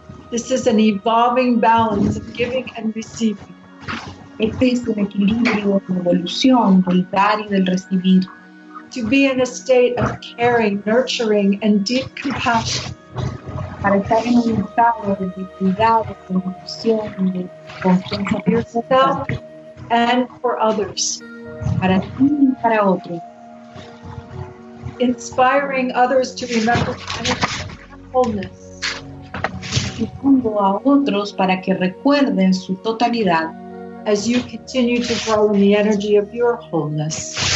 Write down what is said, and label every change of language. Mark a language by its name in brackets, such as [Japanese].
[English] This is an evolving balance of giving and receiving. [Spanish] Este es un equilibrio de evolución, del dar y del recibir. [English] To be in a state of caring, nurturing, and deep compassion. [Spanish] Para estar en un estado de cuidado, de compasión, de confianza [English] en yourself and for others. [Spanish] Para ti y para otros. [English] Inspiring others to remember the energy of wholeness. [Spanish] Inspirando a otros para que recuerden su totalidad. [English] As you continue to grow in the energy of your wholeness.